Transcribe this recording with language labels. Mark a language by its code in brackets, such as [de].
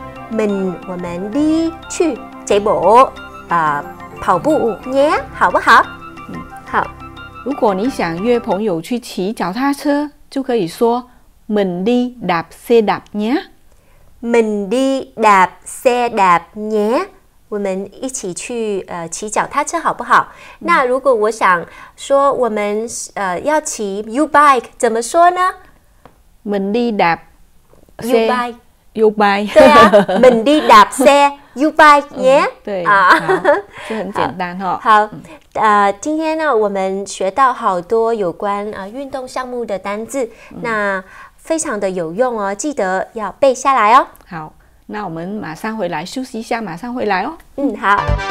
[zh] mình 我们 đi 去 [vi] chạy bộ、 [zh] 跑步 nhé 好不好？好，如果你想约朋友去骑脚踏车，就可以说 [vi] mình đi đạp xe đạp nhé。 mình đi đạp xe đạp nhé， [zh] 我们一起去骑脚踏车好不好？那如果我想说我们要骑 U bike 怎么说呢？ [vi] mình đi đạp xe U bike U bike [zh] 对啊， [vi] mình đi đạp xe U bike nhé、嗯、 [zh] 对啊，这很简单哈、哦。好，今天呢，我们学到好多有关运动项目的单字，那。非常的有用哦，记得要背下来哦。好，那我们马上回来休息一下，马上回来哦。嗯，好。